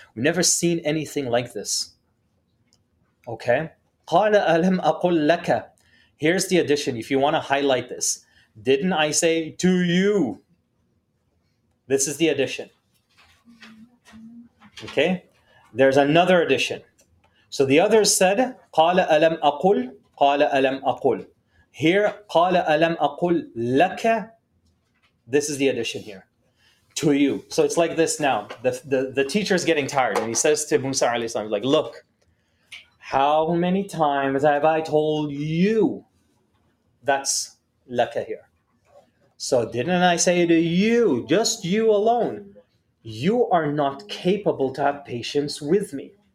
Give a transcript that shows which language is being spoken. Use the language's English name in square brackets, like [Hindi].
[English] We've never seen anything like this. [Arabic] Okay. قَالَ أَلَمْ أَقُلْ لَكَ. [English] Here's the addition, if you want to highlight this. Didn't I say to you? This is the addition. Okay? There's another addition. So the others said, [Arabic] قَالَ أَلَمْ أَقُلْ, قَالَ أَلَمْ أَقُلْ. Here, قَالَ أَلَمْ أَقُلْ لَكَ. [English] This is the addition here. To you. So it's like this now. The teacher is getting tired, and he says to Musa alayhi salam, like, look, how many times have I told you? That's laka here. So didn't I say to you, just you alone, you are not capable to have patience with me.